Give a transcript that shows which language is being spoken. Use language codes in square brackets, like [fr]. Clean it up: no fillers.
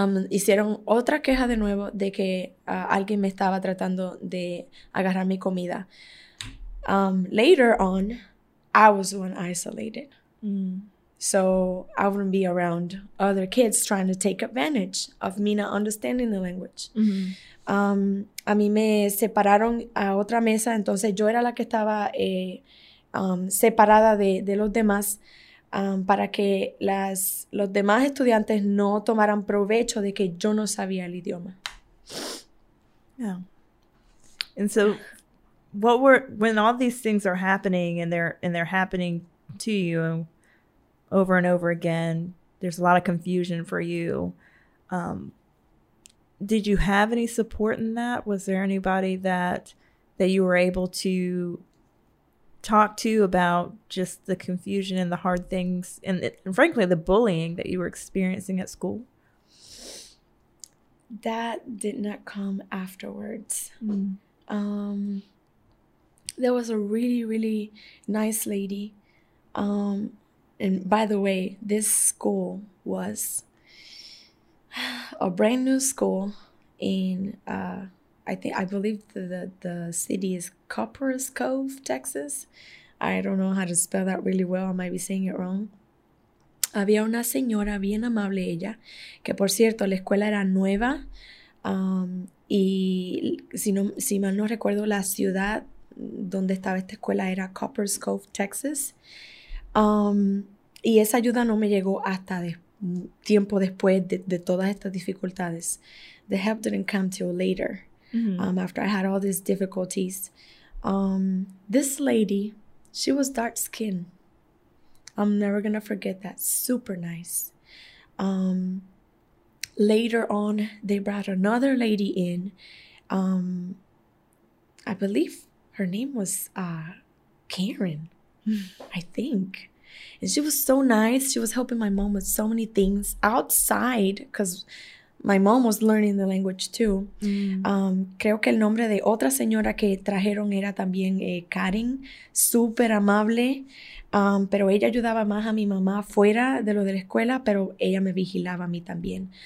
[es] Hicieron otra queja de nuevo de que alguien me estaba tratando de agarrar mi comida. [en] Later on, I was the one isolated. Mm. So I wouldn't be around other kids trying to take advantage of me not understanding the language. Mm-hmm. [es] A mí me separaron a otra mesa, entonces yo era la que estaba separada de los demás para que los demás estudiantes no tomaran provecho de que yo no sabía el idioma. [en] Yeah. And so when all these things are happening and they're happening to you, over and over again, there's a lot of confusion for you. Did you have any support in that? Was there anybody that you were able to talk to about just the confusion and the hard things and frankly, the bullying that you were experiencing at school? That did not come afterwards. Mm. There was a really, really nice lady. And by the way, this school was a brand new school in, I believe the city is Copperas Cove, Texas. I don't know how to spell that really well. I might be saying it wrong. [es] Había una señora bien amable ella, que por cierto, la escuela era nueva. Y si mal no recuerdo, la ciudad donde estaba esta escuela era Copperas Cove, Texas. Y esa ayuda no me llegó hasta tiempo después de todas estas dificultades. [en] The help didn't come till later, mm-hmm. After I had all these difficulties. This lady, she was dark skinned. I'm never going to forget that. Super nice. Later on, they brought another lady in. I believe her name was Karen, I think. And she was so nice. She was helping my mom with so many things outside because my mom was learning the language too. Mm. [es] Creo que el nombre de otra señora que trajeron era también Karen, super amable. Pero ella ayudaba más a mi mamá fuera de lo de la escuela, pero ella me vigilaba a mí también.